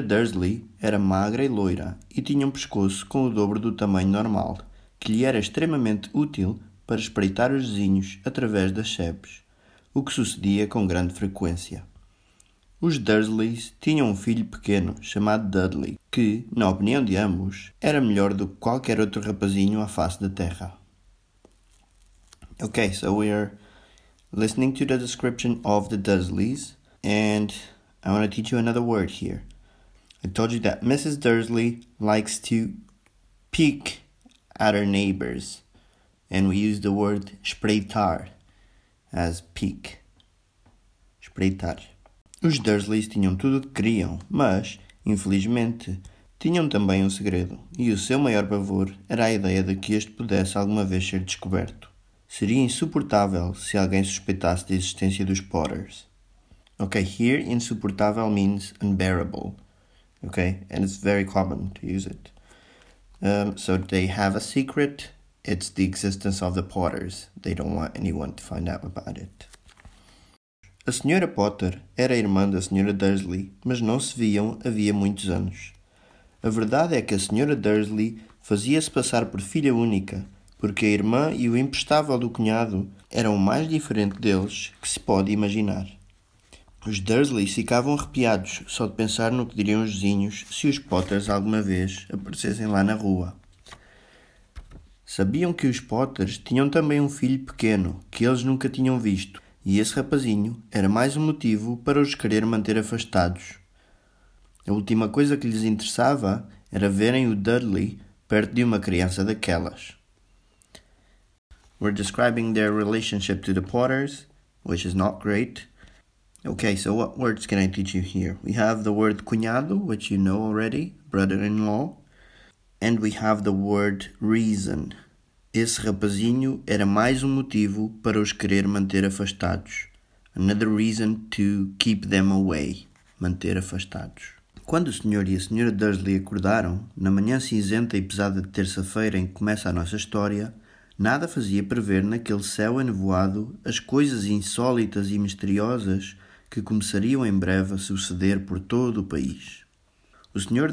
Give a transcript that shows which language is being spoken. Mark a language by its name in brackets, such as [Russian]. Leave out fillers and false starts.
[Portuguese] Dursley era magra e loira e tinha um pescoço com o dobro do tamanho normal, que lhe era extremamente útil para espreitar os vizinhos através das chaves, o que sucedia com grande frequência. Os Dursleys tinham um filho pequeno, chamado Dudley, que, na opinião de ambos, era melhor do que qualquer outro rapazinho à face da terra. [English] Okay, so we're listening to the description of the Dursleys, and I want to teach you another word here. I told you that Mrs. Dursley likes to peek at her neighbors, and we use the word espreitar as peek. [Portuguese] Espreitar. Os Dursleys tinham tudo o que queriam, mas, infelizmente, tinham também um segredo, e o seu maior pavor era a ideia de que este pudesse alguma vez ser descoberto. Seria insuportável se alguém suspeitasse da existência dos Potters. [English] Ok, here insuportável means unbearable, ok? And it's very common to use it. So they have a secret, it's the existence of the Potters. They don't want anyone to find out about it. [Portuguese] A Sra. Potter era a irmã da Sra. Dursley, mas não se viam havia muitos anos. A verdade é que a Sra. Dursley fazia-se passar por filha única, porque a irmã e o imprestável do cunhado eram o mais diferente deles que se pode imaginar. Os Dursleys ficavam arrepiados só de pensar no que diriam os vizinhos se os Potters alguma vez aparecessem lá na rua. Sabiam que os Potters tinham também um filho pequeno, que eles nunca tinham visto, e esse rapazinho era mais um motivo para os querer manter afastados. A última coisa que lhes interessava era verem o Dudley perto de uma criança daquelas. [English] We're describing their relationship to the Potters, which is not great. Okay, so what words can I teach you here? We have the word cunhado, which you know already, brother-in-law. And we have the word reason. [Portuguese] Esse rapazinho era mais um motivo para os querer manter afastados. [English] Another reason to keep them away. [Portuguese] Manter afastados. Quando o Sr. e a Sra. Dursley acordaram, na manhã cinzenta e pesada de terça-feira em que começa a nossa história, nada fazia prever naquele céu enevoado as coisas insólitas e misteriosas que começariam em breve a suceder por todo o país. O Sr.